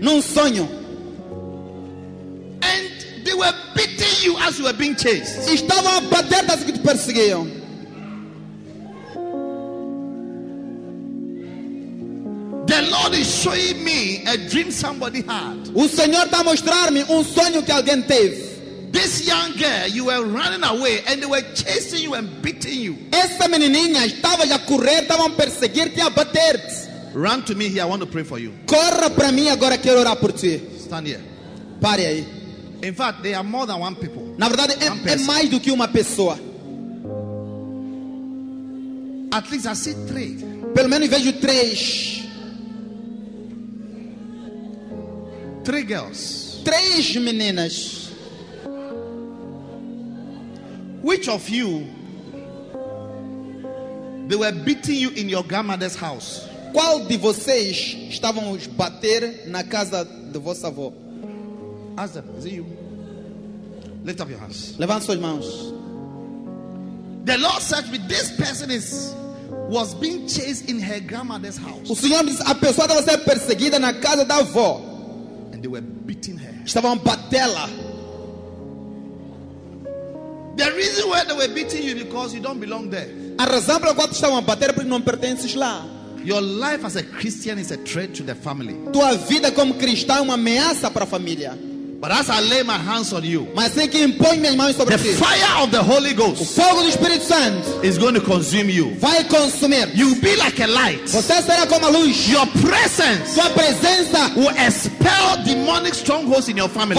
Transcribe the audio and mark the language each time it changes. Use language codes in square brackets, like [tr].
[pt] Num sonho. [en] And they were beating you as you were being chased. [pt] Estavam a bater as que te perseguiam. [en] The Lord is showing me a dream somebody had. [pt] O Senhor está a mostrar-me sonho que alguém teve. [en] This young girl, you were running away and they were chasing you and beating you. [pt] Essa menininha estava a correr, estava a perseguir-te e a bater. [en] Run to me here, I want to pray for you. [pt] Corra para mim agora, quero orar por ti. [en] Stand here. [pt] Pare aí. [en] In fact, they are more than one people. [pt] Na verdade, é mais do que uma pessoa. [en] At least I see three. [pt] Pelo menos vejo três. [en] Three girls. [pt] Três meninas. [en] Which of you, they were beating you in your grandmother's house? [pt] Qual de vocês estavam os bater na casa de vossa avó? [en] Ask them, is it you? Lift up your hands. [pt] Levanta suas mãos. [en] The Lord said to me, this person was being chased in her grandmother's house. [pt] O Senhor disse, a pessoa estava sendo perseguida na casa da avó. [en] And they were beating her. [pt] Estavam batendo. [en] The reason why they were beating you is because you don't belong there. [pt] A razão pela qual estavam batendo é porque não pertences lá. [en] Your life as a Christian is a threat to the family. [pt] Tua vida como cristão é uma ameaça para a família. [en] But as I lay my hands on you, [pt] mas assim que imponho minhas mãos sobre [en] the fire of the Holy Ghost, [pt] o fogo do Espírito Santo [en] is going to consume you. [pt] Vai consumir. [en] You will be like a light. [pt] Você será como a luz. [en] Your presence, [pt] sua presença, [en] will expel demonic strongholds in your family.